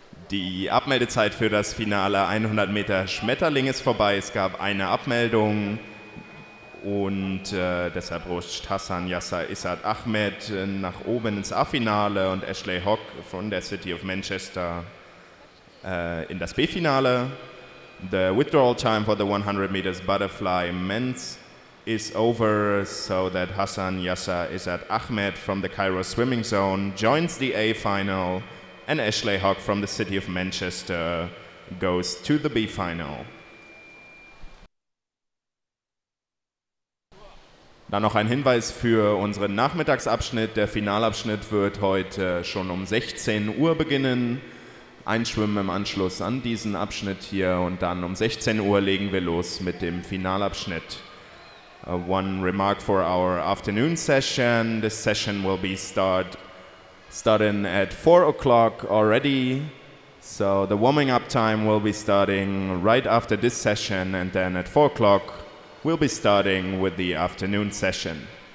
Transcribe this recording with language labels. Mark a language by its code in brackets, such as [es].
[de] Die Abmeldezeit für das Finale 100 Meter Schmetterling ist vorbei. Es gab eine Abmeldung und deshalb rutscht Hassan Yasser Isad Ahmed nach oben ins A-Finale und Ashley Hock von der City of Manchester in das B-Finale. [en] The withdrawal time for the 100 meters butterfly men's is over, so that Hassan Yasser Isad Ahmed from the Cairo Swimming Zone joins the A-Final. And Ashley Hock from the City of Manchester goes to the B-Final. [de] Dann noch ein Hinweis für unseren Nachmittagsabschnitt. Der Finalabschnitt wird heute schon um 16 Uhr beginnen. Einschwimmen im Anschluss an diesen Abschnitt hier. Und dann um 16 Uhr legen wir los mit dem Finalabschnitt. [en] One remark for our afternoon session. This session will be starting at 4 o'clock already, so the warming up time will be starting right after this session, and then at 4 o'clock we'll be starting with the afternoon session.